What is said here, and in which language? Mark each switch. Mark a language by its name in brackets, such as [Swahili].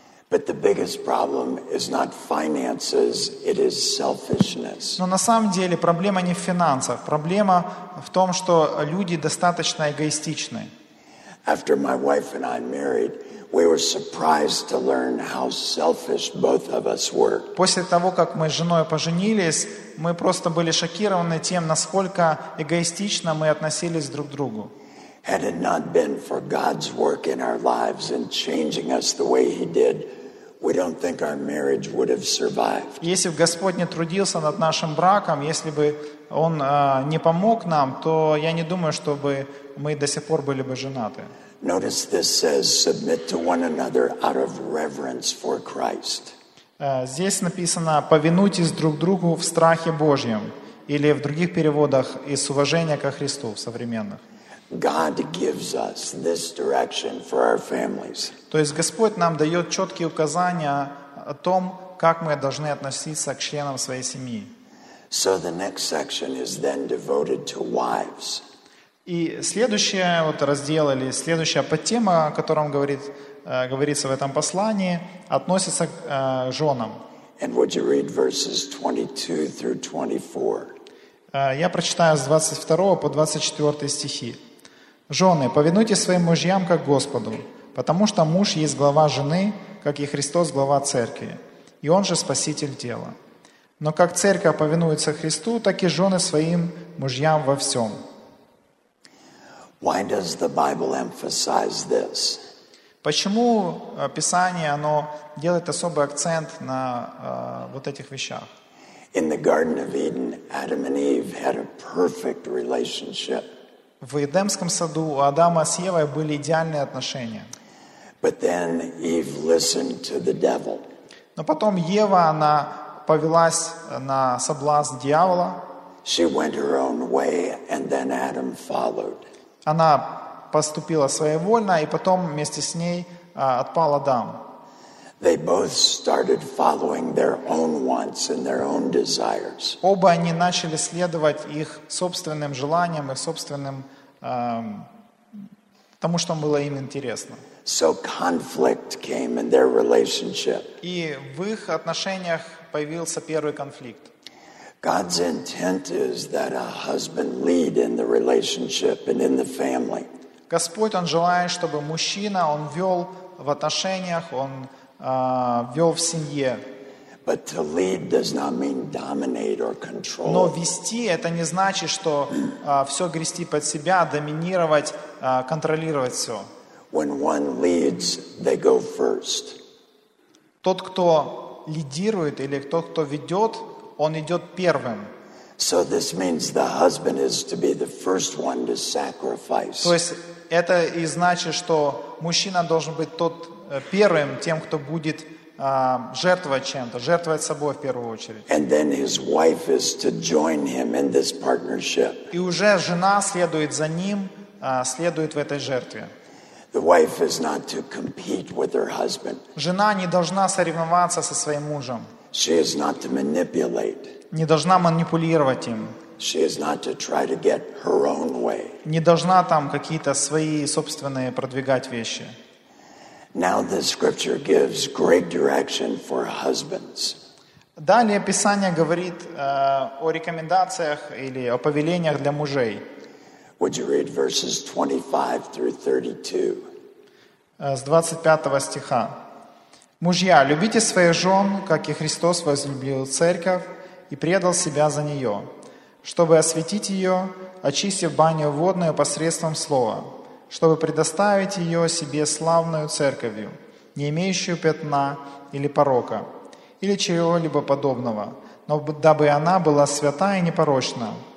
[English] But the biggest problem is not finances, it is selfishness. [Russian] Но на самом деле проблема не в финансах. Проблема в том, что люди достаточно эгоистичны. [English] After my wife and I married, we were surprised to learn how selfish both of us were. [Russian] После того, как мы с женой поженились, мы просто были шокированы тем, насколько эгоистично мы относились друг к другу. [English] Had it not been for God's work in our lives and changing us the way He did, we don't think our marriage would have survived. [Russian] Если бы Господь не трудился над нашим браком, если бы Он не помог нам, то я не думаю, чтобы мы до сих пор были бы женаты. [English] Notice this says submit to one another out of reverence for Christ. [Russian] Здесь написано повинуйтесь друг другу в страхе Божьем или в других переводах из уважения ко Христу в современных. [English] God gives us this direction for our families. [Russian] То есть Господь нам дает четкие указания о том, как мы должны относиться к членам своей семьи. [English] So the next section is then devoted to wives. [Russian] И следующий вот раздел или следующая подтема, о котором говорится в этом послании, относится к женам. [English] And would you read verses 22 through 24? [Russian] Я прочитаю с 22 по 24 стихи. «Жены, повинуйтесь своим мужьям, как Господу, потому что муж есть глава жены, как и Христос глава церкви, и он же спаситель тела. Но как церковь повинуется Христу, так и жены своим мужьям во всем». [English] Why does the Bible emphasize this? [Russian] Почему Писание оно делает особый акцент на вот этих вещах? [English] In the Garden of Eden, Adam and Eve had a perfect relationship. [Russian] В Эдемском саду у Адама с Евой были идеальные отношения. [English] But then Eve listened to the devil. [Russian] Но потом Ева она повелась на соблазн дьявола. [English] She went her own way, and then Adam followed. [Russian] Она поступила своевольно, и потом вместе с ней отпал Адам. [English] They both started following their own wants and their own desires. [Russian] Оба они начали следовать их собственным желаниям и собственным тому, что было им интересно. [English] So conflict came in their relationship. [Russian] И в их отношениях появился первый конфликт. [English] God's intent is that a husband lead in the relationship and in the family. [Russian] Господь, Он желает, чтобы мужчина, он вел в отношениях, он вел в семье. [English] But to lead does not mean dominate or control. [Russian] Но вести – это не значит, что все грести под себя, доминировать, контролировать все. [English] When one leads, they go first. [Russian] Тот, кто лидирует или тот, кто ведет, Он идет первым. [English] So this means the husband is to be the first one to sacrifice. [Russian] То есть это и значит, что мужчина должен быть тот первым, тем, кто будет жертвовать чем-то, жертвовать собой в первую очередь. [English] And then his wife is to join him in this partnership. [Russian] И уже жена следует за ним, следует в этой жертве. [English] The wife is not to compete with her husband. [Russian] Жена не должна соревноваться со своим мужем. [English] She is not to manipulate. [Russian] Не должна манипулировать им. [English] She is not to try to get her own way. [Russian] Не должна там какие-то свои собственные продвигать вещи. [English] Now the scripture gives great direction for husbands. [Russian] Далее Писание говорит о рекомендациях или о повелениях для мужей. [English] Would you read verses 25 through 32? [Russian] С 25 стиха. Мужья, любите своих жен, как и Христос возлюбил церковь и предал себя за нее, чтобы освятить ее, очистив баню водную посредством слова, чтобы предоставить ее себе славную церковью, не имеющую пятна или порока, или чего-либо подобного, но дабы она была свята и непорочна.